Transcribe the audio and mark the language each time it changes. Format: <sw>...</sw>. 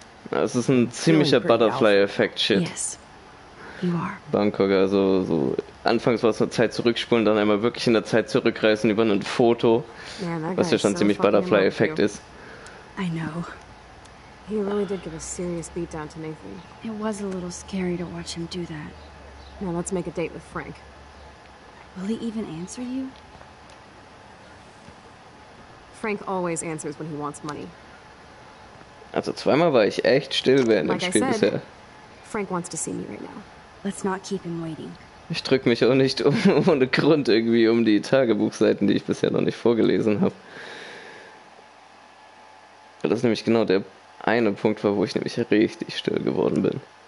<de>Das ist ein ziemlicher Butterfly-Effekt-Shit.</de> <en>Yes, you are.</en> <de>Bangkok, also so. Anfangs war es eine Zeit zurückspulen, dann einmal wirklich in der Zeit zurückreisen über ein Foto. Man, was ja schon so ziemlich Butterfly-Effekt ist.</de> <en>I know. He really did give a serious beat down to Nathan. It was a little scary to watch him do that. Now let's make a date with Frank. Will he even answer you? Frank always answers when he wants money.</en> <de>Also zweimal war ich echt still während</de> <en>like</en> <de>dem Spiel</de> <en>said,</en> <de>bisher.</de> <en>Frank wants to see me right now. Let's not keep him waiting.</en> <de>Ich drück mich auch nicht ohne Grund irgendwie um die Tagebuchseiten, die ich bisher noch nicht vorgelesen habe. Weil das nämlich genau der eine Punkt war, wo ich nämlich richtig still geworden bin.</de>